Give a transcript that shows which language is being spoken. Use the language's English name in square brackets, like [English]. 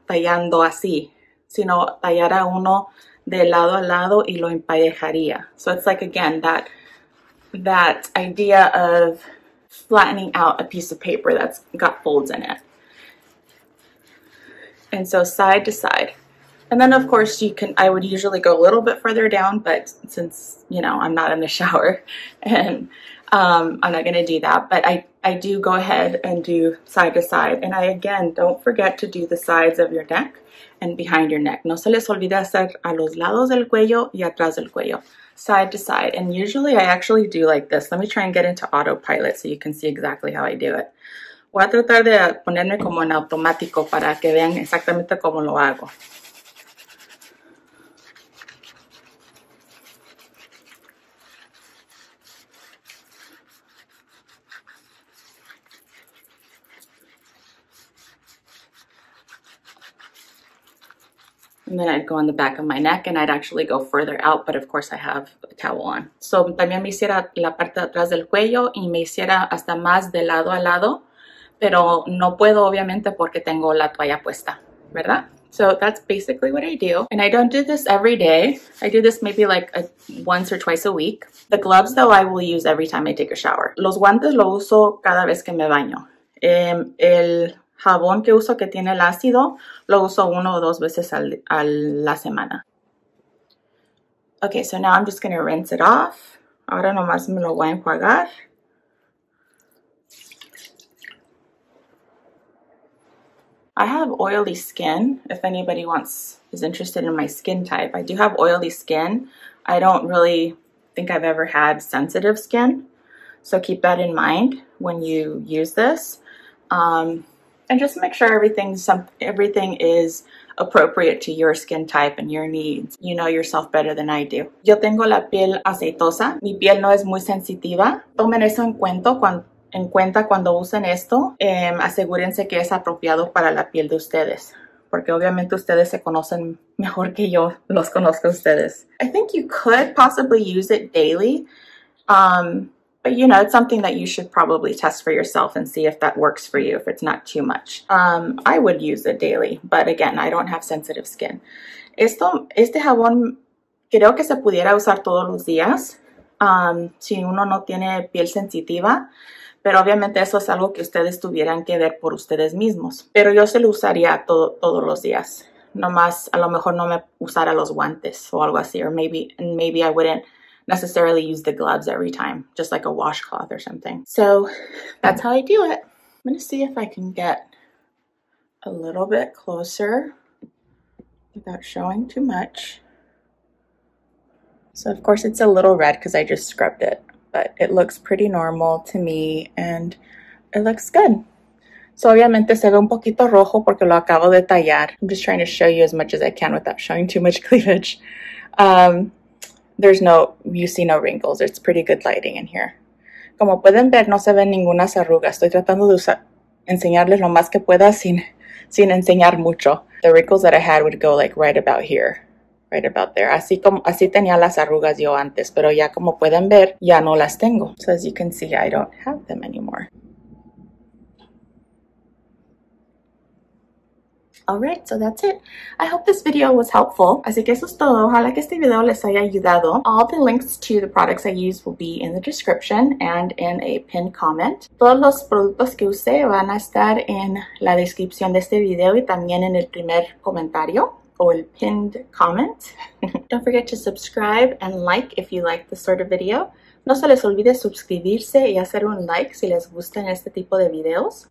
[Spanish] Tallando así, sino tallar a uno de lado a lado y lo emparejaría. [English] So it's like again that idea of flattening out a piece of paper that's got folds in it. And so side to side. And then of course I would usually go a little bit further down, but since, I'm not in the shower and I'm not gonna do that, but I do go ahead and do side to side. And I, again, don't forget to do the sides of your neck and behind your neck. [Spanish] No se les olvide hacer a los lados del cuello y atrás del cuello. [English] Side to side. And usually I actually do like this. Let me try and get into autopilot so you can see exactly how I do it. [Spanish] Voy a tratar de ponerme como en automático para que vean exactamente cómo lo hago. [English] And then I'd go on the back of my neck and I'd actually go further out, but of course I have a towel on. [Spanish] So también me hiciera la parte de atrás del cuello y me hiciera hasta más de lado a lado, pero no puedo obviamente porque tengo la toalla puesta, ¿verdad? [English] So that's basically what I do. And I don't do this every day. I do this maybe once or twice a week. The gloves though, I will use every time I take a shower. [Spanish] Los guantes lo uso cada vez que me baño. El jabón que uso que tiene el ácido, lo uso 1 o 2 veces a la semana. [English] Okay, so now I'm just gonna rinse it off. [Spanish] Ahora nomás me lo voy a enjuagar. [English] Have oily skin. If anybody wants, is interested in my skin type, I do have oily skin. I don't really think I've ever had sensitive skin. So keep that in mind when you use this. And just make sure everything is appropriate to your skin type and your needs. You know yourself better than I do. [Spanish] Yo tengo la piel aceitosa. Mi piel no es muy sensitiva. Tomen eso en cuenta cuando usen esto. Asegúrense que es apropiado para la piel de ustedes, porque obviamente ustedes se conocen mejor que yo los conozco a ustedes. [English] I think you could possibly use it daily. But you know, it's something that you should probably test for yourself and see if that works for you, if it's not too much. I would use it daily, but again, I don't have sensitive skin. [Spanish] Este jabón creo que se pudiera usar todos los días si uno no tiene piel sensitiva, pero obviamente eso es algo que ustedes tuvieran que ver por ustedes mismos. Pero yo se lo usaría todos los días. Nomás a lo mejor no me usara los guantes o algo así, [English] maybe I wouldn't necessarily use the gloves every time, just like a washcloth or something. So that's how I do it. I'm gonna see if I can get a little bit closer without showing too much. So of course it's a little red because I just scrubbed it, but it looks pretty normal to me and it looks good. So [Spanish] obviamente se ve un poquito rojo porque lo acabo de tallar. [English] I'm just trying to show you as much as I can without showing too much cleavage. You see no wrinkles. It's pretty good lighting in here. [Spanish] Como pueden ver, no se ven ninguna arruga. Estoy tratando de enseñarles lo más que pueda sin enseñar mucho. [English] The wrinkles that I had would go like right about here, right about there. [Spanish] Así tenía las arrugas yo antes, pero ya como pueden ver, ya no las tengo. [English] So as you can see, I don't have them anymore. All right, so that's it. I hope this video was helpful. [Spanish] Así que eso es todo. Ojalá que este video les haya ayudado. [English] All the links to the products I use will be in the description and in a pinned comment. [Spanish] Todos los productos que usé van a estar en la descripción de este video y también en el primer comentario o el pinned comment. [English] Don't forget to subscribe and like if you like this sort of video. [Spanish] No se les olvide suscribirse y hacer un like si les gustan este tipo de videos.